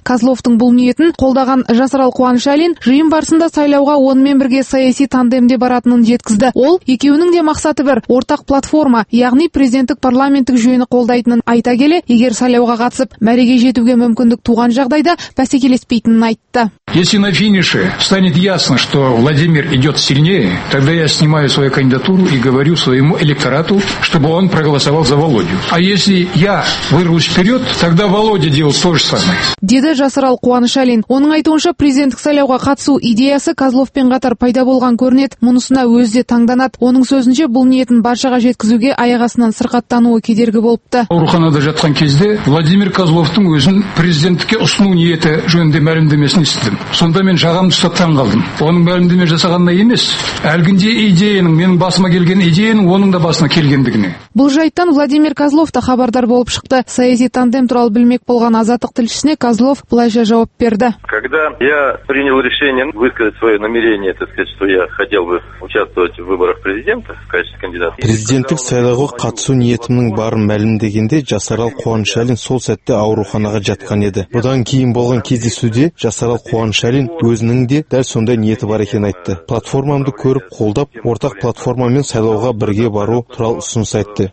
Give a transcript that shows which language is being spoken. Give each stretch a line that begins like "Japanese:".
Kazakh: Козловтың бұл ниетін қолдаған Жасарал Қуаныш Әлін жиын барысында сайлауға онымен бірге саяси тандемде баратынын жеткізді. Ол екеуінің де мақсаты бір, ортақ платформа, яғни президенттік парламенттік жүйені қолдайтынын айта келе, егер сайлауға қатысып мәреге жетуге мүмкіндік туған жағдайда бәсекелеспейтінін айтты.
Russian: Если на финише станет ясно, что Владимир идет сильнее, тогда я снимаю свою кандидатуру и говорю своему электорату, чтобы он проголосовал за Володю. А если я вырвусь вперед, тогда Володя делает то же самое.
Kazakh: Деді Жасарал Қуаныш Әлін. Оның айтуынша президенттік сайлауға қатысу идеясы Козловпен қатар пайда болған көрінеді. Мұнысына өзі де таңданады. Оның сөзінше бұл ниетін баршаға жеткізуге аяғынан сырқаттануы кедергі болыпты. Ауруханада жатқан кезде Владимир Козловтың өзін президенттікке ұсыну ниеті жөнінде мәлімдемесін естідім. Сонда мен жағам ұстап таң қалдым. Оның мәлімдеме жасағанына емес, әлгінде идеяның, менің басыма келген идеяның оның да басына келгендігіне. Бұл жайттан Владимир Козлов та хабардар болып шықты. Саяси тандем туралы білмек болған Азаттық тілшісіне Козлов былайша жауап берді.
Russian: Когда я принял решение высказать свое намерение, так сказать, что я хотел бы участвовать в выборах президента в качестве кандидата.
Kazakh: Президенттік сайлауға қатысу ниетімнің барын мәлімдегенде Жасарал Қуаныш Әлін сол сәтте ауруханаға жатқан еді. Бұдан кейін болған кездесуде Жасарал Қуаныш Әлін өзінің де дәл сондай ниеті бар екенін айтты. Платформамды көріп қолдап, ортақ платформамен сайлауға бірге бару туралы ұсыныс айтты.